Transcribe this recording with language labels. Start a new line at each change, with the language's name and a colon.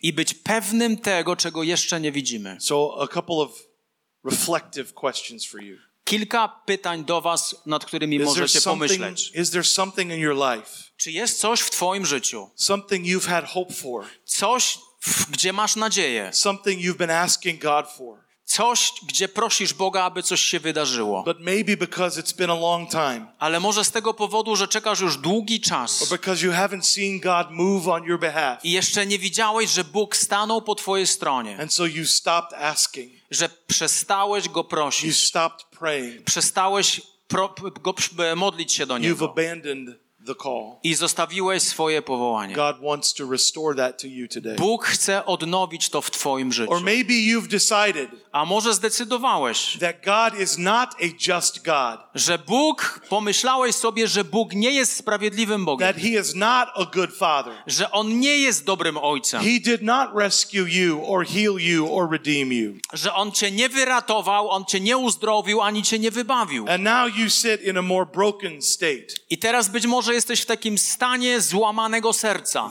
Polish: I być pewnym tego, czego jeszcze nie widzimy.
English: So a couple of reflective questions for you.
Polish: Kilka pytań do was, nad którymi możecie pomyśleć.
English: Is there something in your life?
Polish: Czy jest coś w twoim życiu?
English: Something you've had hope for.
Polish: Coś, gdzie masz nadzieję.
English: Something you've been asking God for.
Polish: Coś, gdzie prosisz Boga, aby coś się wydarzyło.
English: But maybe because it's been a long time.
Polish: Ale może z tego powodu, że czekasz już długi czas.
English: Or because you haven't seen God move on your behalf.
Polish: I jeszcze nie widziałeś, że Bóg stanął po twojej stronie.
English: And so you stopped asking.
Polish: Że przestałeś go prosić.
English: You stopped praying.
Polish: Przestałeś modlić się do niego.
English: You've abandoned the call.
Polish: I zostawiłeś swoje powołanie.
English: God wants to restore that to you today.
Polish: Bóg chce odnowić to w twoim życiu.
English: Or maybe you've decided.
Polish: A może zdecydowałeś.
English: That God is not a just God.
Polish: Że Bóg, pomyślałeś sobie, że Bóg nie jest sprawiedliwym Bogiem.
English: That he is not a good father.
Polish: Że on nie jest dobrym ojcem.
English: He did not rescue you or heal you or redeem you.
Polish: Że on cię nie wyratował, on cię nie uzdrowił, ani cię nie wybawił.
English: And now you sit in a more broken state.
Polish: I teraz być może jesteś w takim stanie złamanego serca.